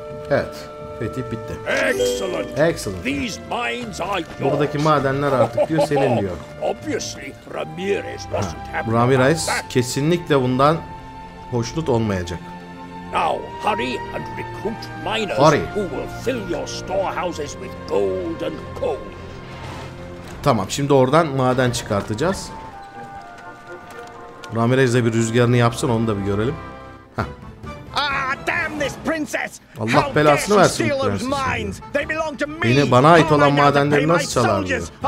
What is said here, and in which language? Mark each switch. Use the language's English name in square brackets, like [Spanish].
[Turkish] Evet. Fetih bitti. [English] Excellent. Excellent. These mines are yours. [Turkish] Buradaki madenler artık diyor senin diyor. [English] Obviously Ramirez wasn't happy. [Turkish] Ramirez kesinlikle bundan hoşnut olmayacak. [English] Now hurry and recruit miners hurry. Who will fill your storehouses with gold and coal. [Turkish] Tamam, şimdi oradan maden çıkartacağız. Ramirez de bir rüzgarını yapsın, onu da bir görelim. Allah belasını versin bu prensesi. Beni, bana ait olan madenleri nasıl çalar diyor.